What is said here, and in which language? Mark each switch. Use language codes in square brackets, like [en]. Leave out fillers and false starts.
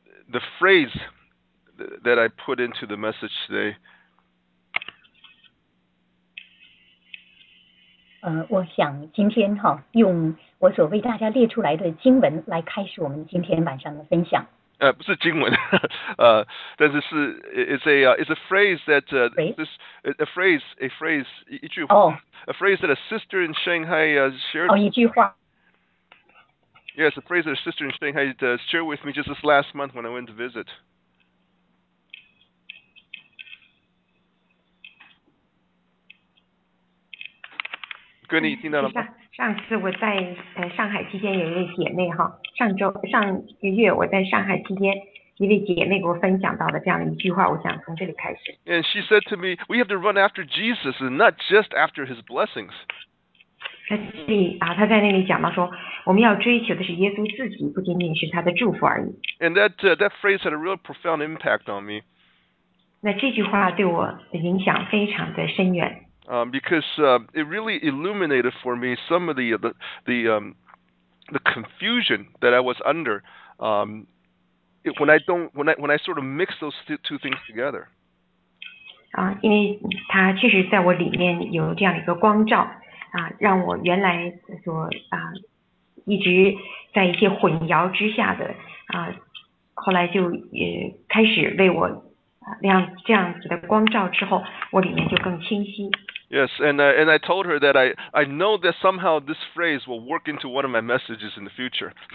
[en] The phrase that I put into the message today. [zh] 我想今天哈用我所为大家列出来的经文来开始我们今天晚上的分享。不是经文，但是是 [en] is a phrase that Phrase? this a phrase a phrase [zh] 一句话哦， [en] ，a phrase that a sister in Shanghai shared [zh] 哦，一句话。 [en] Yes, a phrase that a sister in Shanghai shared with me just this last month when I went to visit. [zh] 哥，你听到了是吗？上次我在上海期间，有一位姐妹哈，上周上个月我在上海期间，一位姐妹给我分享到的这样一句话，我想从这里开始。 [en] And she said to me, we have to run after Jesus and not just after his blessings. [zh] 他在那里讲到说，我们要追求的是耶稣自己，不仅仅是他的祝福而已。 [en] And that phrase had a real profound impact on me. [zh] 那这句话对我的影响非常的深远。 [en] Because it really illuminated for me some of the confusion that I was under when I sort of mix those two things together. [zh] 因为它确实在我里面有这样一个光照让我原来所一直在一些混淆之下的后来就开始为我亮这样子的光照之后，我里面就更清晰。 [en] Yes, and I told her that I know that somehow this phrase will work into one of my messages in the future.